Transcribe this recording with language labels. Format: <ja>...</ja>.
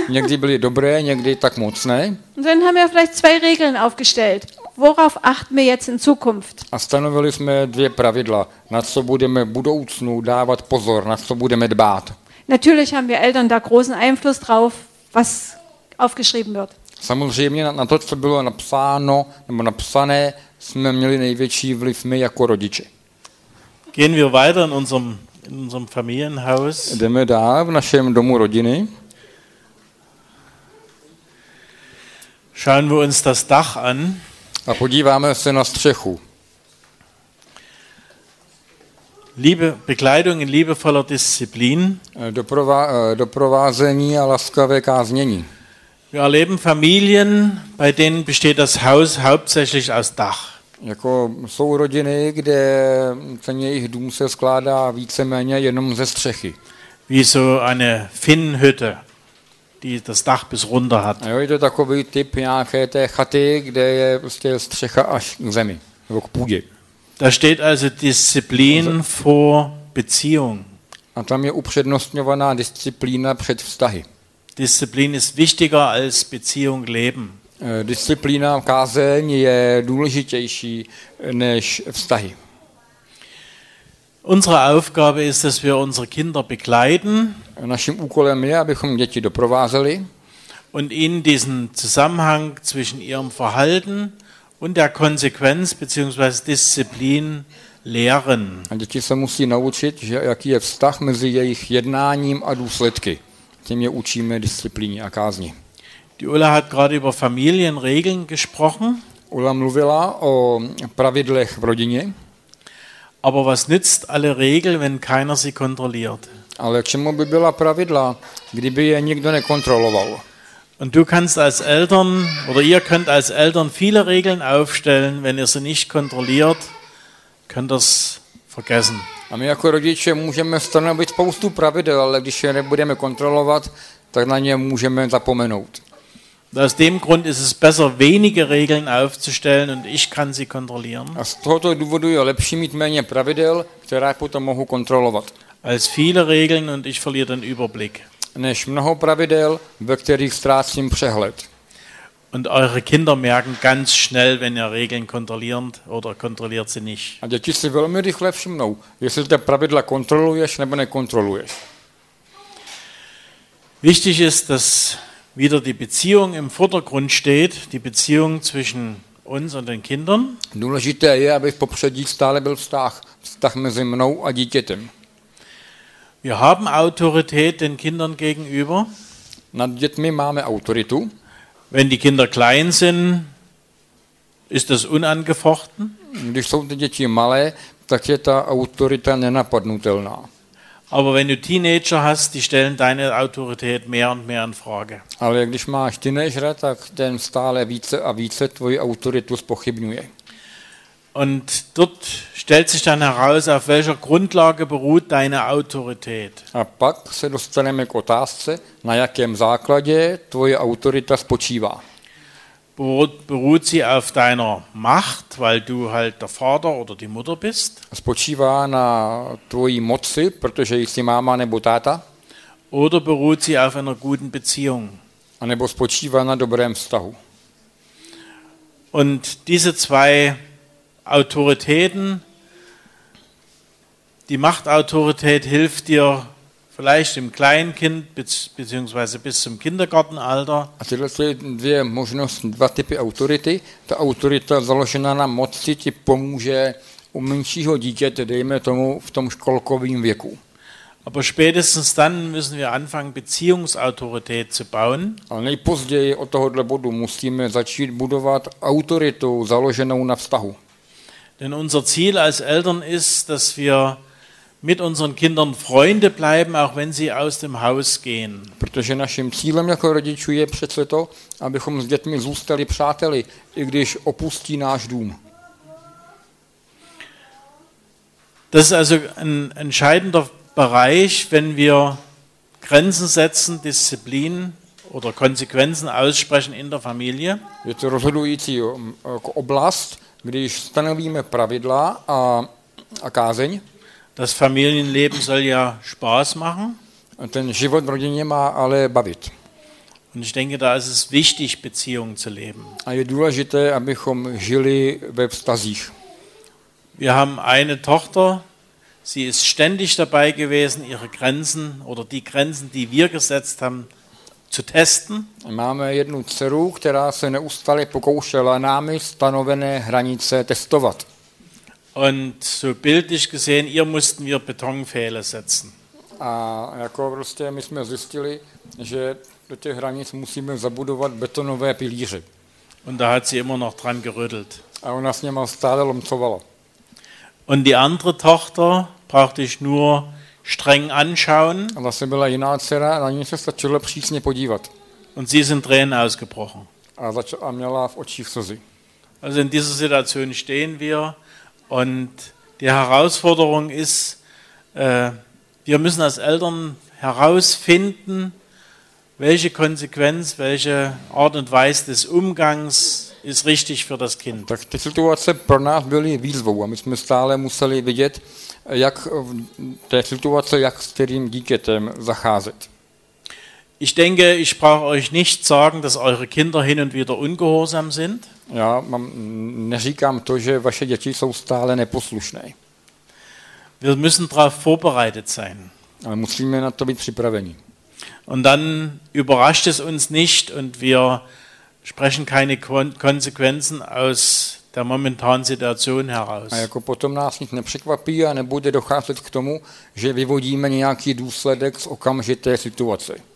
<cs>Někdy byly dobré, někdy tak moc ne.</cs> <de>Und dann haben wir vielleicht 2 Regeln aufgestellt. Worauf achten wir jetzt in Zukunft?</de> <cs>A stanovili jsme 2 pravidla, na co budeme v budoucnu dávat pozor, na co budeme dbát.</cs> <de>Natürlich haben wir Eltern da großen Einfluss drauf, was aufgeschrieben wird.</de> <cs>Samozřejmě na to, co bylo napsáno nebo napsané, jsme měli největší vliv my jako rodiče.</cs> <de>Gehen wir weiter in unserem Familienhaus.</de> <cs>Jdeme dál v našem domu rodiny.</cs> <de>Schauen wir uns das Dach an.</de> <cs>A podíváme se na střechu.</cs> <de>Liebe Bekleidung in liebevoller Disziplin.</de> <cs>Doprovázení a laskavé káznění.</cs> <de>Wir erleben Familien, bei denen besteht das Haus hauptsächlich aus Dach.</de> <cs>Jako jsou rodiny, kde ten jejich dům se skládá víceméně jenom ze střechy.</cs> <de>Wie so eine Finnhütte, die das Dach bis runter hat.</de> <cs>Jo, je to takový typ nějaké té chaty, kde je prostě střecha až k zemi, nebo k půdě.</cs> <de>Da steht also Disziplin vor Beziehung.</de> <cs>A tam je upřednostňovaná disciplína před vztahy.</cs> <de>Disziplin ist wichtiger als Beziehung leben.</de> <cs>Disciplína kázeň je důležitější než vztahy.</cs> <de>Unsere Aufgabe ist, dass wir unsere Kinder begleiten.</de> <cs>Naším úkolem je, abychom děti doprovázeli.</cs> <de>Und ihnen diesen Zusammenhang zwischen ihrem Verhalten und der Konsequenz bzw. Disziplin lehren.</de> <cs>A děti se musí naučit, jaký je vztah mezi jejich jednáním a důsledky. Tím je učíme disciplíně a kázni.</cs> <de>Die Ulla hat gerade über Familienregeln gesprochen.</de> <cs>Ulla mluvila o pravidlech v rodině.</cs> <de>Aber was nützt alle Regeln, wenn keiner sie kontrolliert?</de> <cs>Ale k čemu by byla pravidla, kdyby je nikdo nekontroloval?</cs> <de>Und du kannst als Eltern oder ihr könnt als Eltern viele Regeln aufstellen, wenn ihr sie nicht kontrolliert, könnt das vergessen.</de> <cs>A my jako rodiče můžeme stanovit spoustu pravidel, ale když je nebudeme kontrolovat, tak na ně můžeme zapomenout.</cs> <de>Aus dem Grund ist es besser, wenige Regeln aufzustellen und ich kann sie kontrollieren.</de> <cs>A z tohoto důvodu je lepší mít méně pravidel, která potom mohu kontrolovat.</cs> <de>Als viele Regeln und ich verliere den Überblick.</de> <cs>Než mnoho pravidel, ve kterých ztrácím přehled.</cs> <de>Und eure Kinder merken ganz schnell, wenn ihr Regeln kontrolliert oder kontrolliert sie nicht.</de> <cs>A děti si velmi rychle všimnou, jestli ty pravidla kontroluješ nebo nekontroluješ.</cs> <de>Wichtig ist, dass wieder die Beziehung im Vordergrund steht, die Beziehung zwischen uns und den Kindern.</de> <cs>Důležité je, aby v popředí stále byl vztah mezi mnou a dítětem.</cs> <de>Wir haben Autorität den Kindern gegenüber.</de> <cs>Nad dětmi máme autoritu.</cs> <de>Wenn die Kinder klein sind, ist das unangefochten.</de> <cs>Když jsou ty děti malé, tak je ta autorita nenapadnutelná.</cs> <de>Aber wenn du Teenager hast, die stellen deine Autorität mehr und mehr in Frage.</de> <cs>Ale když máš teenagera, tak ten stále více a více tvoji autoritu zpochybňuje.</cs> <de>Und dort stellt sich dann heraus, auf welcher Grundlage beruht deine Autorität.</de> <cs>A pak se dostaneme k otázce, na jakém základě tvoje autorita spočívá.</cs> <de>Beruht sie auf deiner Macht, weil du halt der Vater oder die Mutter bist?</de> <cs>Spočívá na tvojí moci, protože jsi máma nebo táta?</cs> <de>Oder beruht sie auf einer guten Beziehung?</de> <cs>A nebo spočívá na dobrém vztahu?</cs> <de>Und diese zwei Autoritäten, die Machtautorität hilft dir vielleicht im Kleinkind beziehungsweise bis zum Kindergartenalter.</de> <cs>A tyhle dvě možnosti, dva typy autority. Ta autorita založená na moci ti pomůže u menšího dítěte, dejme tomu v tom školkovém věku.</cs> <de>Aber spätestens dann müssen wir anfangen, Beziehungsautorität zu bauen.</de> <cs>A nejpozději od tohohle bodu musíme začít budovat autoritu založenou na vztahu.</cs> <de>Denn unser Ziel als Eltern ist, dass wir mit unseren Kindern Freunde bleiben, auch wenn sie aus dem Haus gehen.</de> <cs>Protože naším cílem jako rodičů je přece to, abychom s dětmi zůstali přáteli, i když opustí náš dům.</cs> <de>Das ist also ein entscheidender Bereich, wenn wir Grenzen setzen, Disziplin oder Konsequenzen aussprechen in der Familie.</de> <cs>Je to rozhodující oblast, když stanovíme pravidla a kázeň.</cs> <de>Das Familienleben soll ja Spaß machen.</de> <cs>Ten život v rodině má ale bavit.</cs> <de>Und ich denke, da ist es wichtig, Beziehungen zu leben.</de> <cs>A je důležité, abychom žili ve vztazích.</cs> <de>Wir haben eine Tochter, sie ist ständig dabei gewesen, ihre Grenzen oder die Grenzen, die wir gesetzt haben, zu testen.</de> <cs>Máme jednu dceru, která se neustále pokoušela námi stanovené hranice testovat.</cs> <de>Und so bildlich gesehen, ihr mussten wir Betonpfähle setzen.</de> <cs>A jako prostě my jsme zjistili, že do těch hranic musíme zabudovat betonové pilíře.</cs> <de>Und da hat sie immer noch dran gerüttelt.</de> <cs>A ona s něma stále lomcovala.</cs> <de>Und die andere Tochter brauchte ich nur streng anschauen.</de> <cs>A vlastně byla jiná dcera, na ní se stačilo přísně podívat.</cs> <de>Und sie sind Tränen ausgebrochen.</de> <cs>A měla v očích slzy.</cs> <de>Also in dieser Situation stehen wir. Und die Herausforderung ist, wir müssen als Eltern herausfinden, welche Konsequenz, welche Art und Weise des Umgangs ist richtig für das Kind.</de> <cs>Tak ty situace pro nás byly výzvou a my jsme stále museli vidět, jak v té situace, jak s kterým dítětem zacházet.</cs> <de>Ich denke, ich brauche euch nicht sagen, dass eure Kinder hin und wieder ungehorsam sind.</de> <cs>Já mám, neříkám to, že vaše děti jsou stále neposlušné.</cs> <de>Wir müssen darauf vorbereitet sein.</de> <cs>Ale musíme na to být připraveni.</cs> <de>Und dann überrascht es uns nicht und wir sprechen keine Konsequenzen aus der momentanen Situation heraus.</de> <cs>A jako potom nás nic nepřekvapí a nebude docházet k tomu, že vyvodíme nějaký důsledek z okamžité situace.</cs>